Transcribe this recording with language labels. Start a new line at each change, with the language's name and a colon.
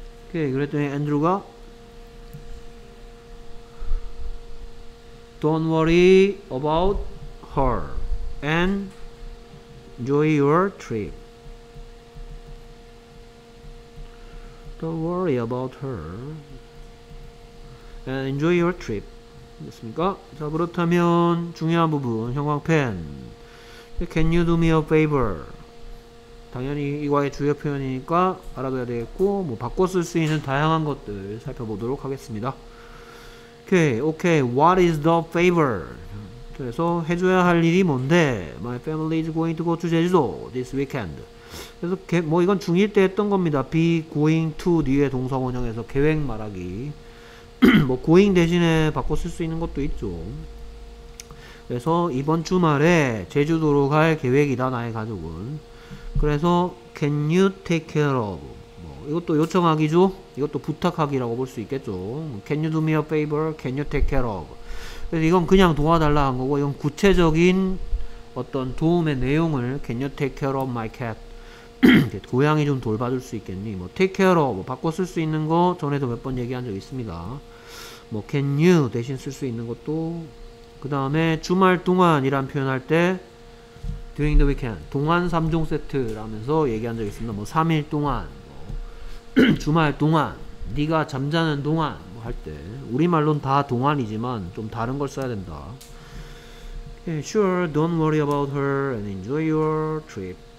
English: 오케이, okay,
Korean: 그랬더니 앤드루가
English: Don't worry about her and enjoy your trip. Don't worry about her and enjoy your trip.
Korean: 됐습니까? 자, 그렇다면 중요한 부분, 형광펜.
English: Can you do me a favor?
Korean: 당연히 이거의 주요 표현이니까 알아둬야 되겠고, 뭐, 바꿔 쓸수 있는 다양한 것들 살펴보도록 하겠습니다.
English: Okay. What is the favor?
Korean: 그래서 해줘야 할 일이 뭔데?
English: My family is going to go to Jeju도 this weekend.
Korean: 그래서, 뭐, 이건 중1 때 했던 겁니다.
English: Be going to
Korean: 뒤에 동사원형에서 계획 말하기. 뭐, going 대신에 바꿔 쓸수 있는 것도 있죠. 그래서 이번 주말에 제주도로 갈 계획이다 나의 가족은. 그래서
English: can you take care of
Korean: 뭐 이것도 요청하기죠. 이것도 부탁하기라고 볼수 있겠죠.
English: Can you do me a favor? Can you take care of?
Korean: 그래서 이건 그냥 도와달라 한 거고 이건 구체적인 어떤 도움의 내용을
English: can you take care of my cat?
Korean: 고양이 좀 돌봐줄 수 있겠니? 뭐 take care of 뭐 바꿔 쓸수 있는 거 전에도 몇번 얘기한 적 있습니다. 뭐 can you 대신 쓸수 있는 것도 그 다음에 주말 동안이란 표현할 때
English: during the weekend
Korean: 동안 3종 세트라면서 얘기한 적이 있습니다. 뭐 3일 동안 뭐 주말 동안 네가 잠자는 동안 뭐할때 우리말로는 다 동안이지만 좀 다른 걸 써야 된다.
English: Okay, sure, don't worry about her and enjoy your trip.